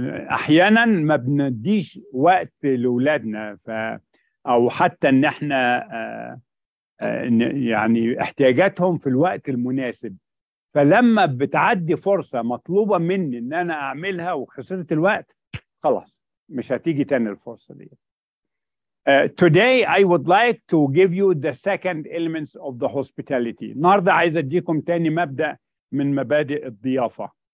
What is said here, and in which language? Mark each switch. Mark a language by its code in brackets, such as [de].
[ar] أحيانا ما بنديش وقت لأولادنا أو حتى أن احنا يعني احتياجاتهم في الوقت المناسب. فلما بتعدي فرصة مطلوبة مني أن أنا أعملها وخسرت الوقت خلاص مش هتيجي تاني الفرصة دي. [en] Today I would like to give you the second elements of the hospitality. [ar] النهاردة عايز أديكم تاني مبدأ من مبادئ الضيافة.